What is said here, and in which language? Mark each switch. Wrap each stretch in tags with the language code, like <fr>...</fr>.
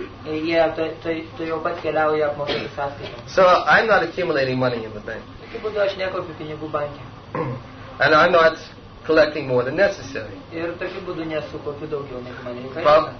<lt>Tu jau pat keliauji apmokėti sąskaitą.</lt> <en>So I'm not accumulating money in the bank.</en> <lt>Tokiu būdu aš nekaupiu pinigų banke.</lt> <en>And I'm not collecting more than necessary.</en> <lt>Ir tokiu būdu nesukaupiu daugiau negu man reikia.</lt>